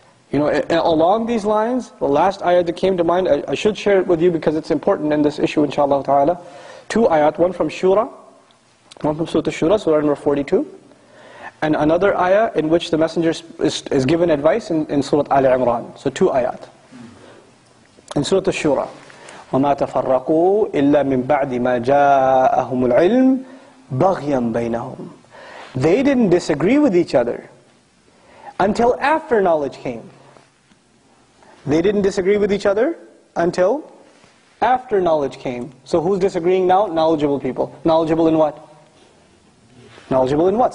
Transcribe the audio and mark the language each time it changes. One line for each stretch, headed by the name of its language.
English: You know, along these lines, the last ayat that came to mind, I should share it with you because it's important in this issue, inshaAllah ta'ala. Two ayat, one from Shura, one from Surah Shura, Surah number 42. And another ayah in which the Messenger is given advice in Surah Ali Imran. So two ayat.
Arabic: In Surah Shura, وَمَا تَفَرَّقُوا إِلَّا مِن بَعْدِ مَا جَاءَهُمُ الْعِلْمِ بَغْيًا بَيْنَهُمْ.
English: They didn't disagree with each other until after knowledge came. They didn't disagree with each other until after knowledge came. So who's disagreeing now? Knowledgeable people. Knowledgeable in what? Knowledgeable in what?